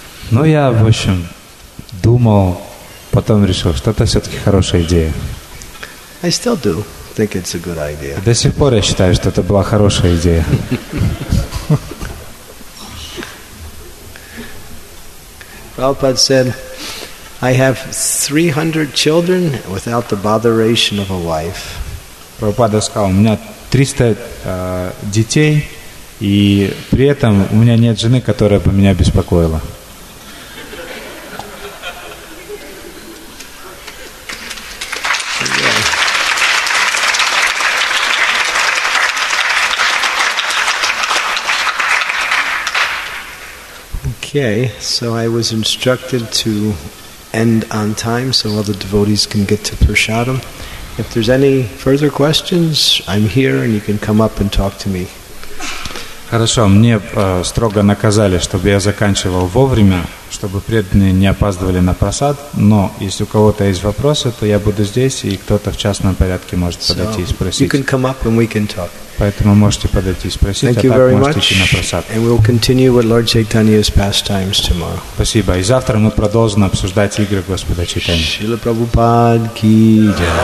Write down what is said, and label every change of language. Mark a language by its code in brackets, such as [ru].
[ru] Ну, я, в общем, думал, потом решил, что это все-таки хорошая идея. [en] I still do think it's a good idea. [ru] До сих пор я считаю, что это была хорошая идея. [en] Prabhupada said, I have 300 children without the botheration of a wife. [ru] Прабхупада сказал, у меня 300 детей, и при этом у меня нет жены, которая бы меня беспокоила. [en] Okay, so I was instructed to end on time so all the devotees can get to prasadam. If there's any further questions, I'm here and you can come up and talk to me. [ru] Хорошо, мне строго наказали, чтобы я заканчивал вовремя, чтобы преданные не опаздывали на просад. Но если у кого-то есть вопросы, то я буду здесь, и кто-то в частном порядке может подойти и спросить. [en] You can come up and we can talk. [ru] Поэтому можете подойти и спросить, [en] Thank [ru] а так можете [en] much, [ru] идти на просад. [en] And we'll continue with Lord Chaitanya's pastimes tomorrow. [ru] Спасибо. И завтра мы продолжим обсуждать игры Господа Чайтани. Шрила Прабхупад ки джай.